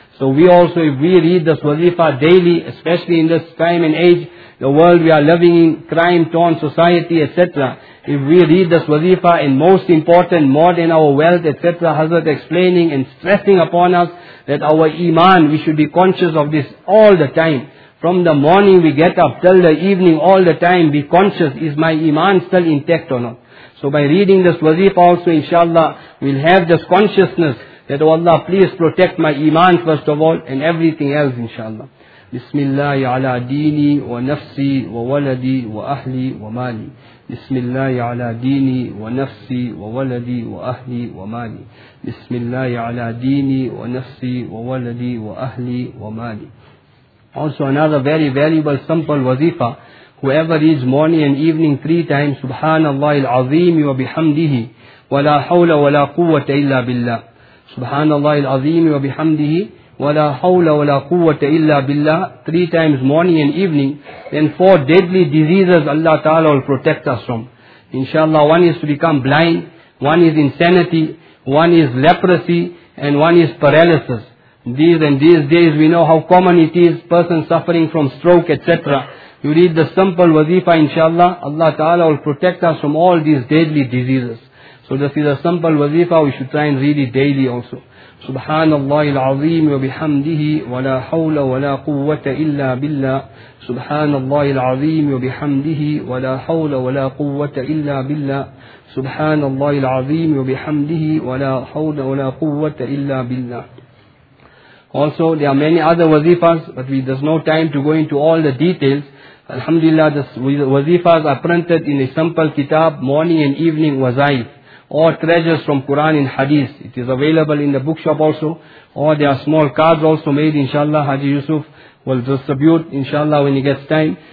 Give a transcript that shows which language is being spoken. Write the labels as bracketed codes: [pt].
[en] So we also, if we read this wazifa daily, especially in this time and age, the world we are living in, crime-torn society, etc., if we read this wazifa, and most important, more than our wealth, etc., Hazrat explaining and stressing upon us that our iman, we should be conscious of this all the time. From the morning we get up till the evening, all the time, be conscious, is my iman still intact or not? So by reading this wazifa also, inshallah, we'll have this consciousness that, oh Allah, please protect my iman first of all, and everything else, inshallah. [ar] بسم الله على ديني ونفسي وولدي وأهلي ومالي بسم الله على ديني ونفسي وولدي وأهلي ومالي بسم الله على ديني ونفسي وولدي وأهلي ومالي. [en] Also another very valuable simple wazifa, whoever reads morning and evening three times [ar] Subhanallah al-Azim wa bihamdihi wa la hawla wa la quwwata illa billah. Subhanallah al-Azim wa bihamdihi وَلَا حَوْلَ وَلَا قُوَّةَ إِلَّا بِاللَّهِ [en] three times morning and evening, then four deadly diseases Allah Ta'ala will protect us from. Inshallah, one is to become blind, one is insanity, one is leprosy, and one is paralysis. These days we know how common it is, person suffering from stroke, etc. You read the simple wazifa, inshallah, Allah Ta'ala will protect us from all these deadly diseases. So this is a simple wazifa, we should try and read it daily also. [ar] سبحان الله العظيم وبحمده ولا حول ولا قوة إلا بالله سبحان الله العظيم وبحمده ولا حول ولا قوة إلا بالله سبحان الله العظيم وبحمده ولا حول ولا قوة إلا بالله. [en] Also, there are many other wazifas, but we there's no time to go into all the details. Alhamdulillah, the wazifas are printed in a simple kitab, morning and evening wazai. All treasures from Quran and Hadith. It is available in the bookshop also. Or there are small cards also made, inshallah, Haji Yusuf will distribute, inshallah, when he gets time.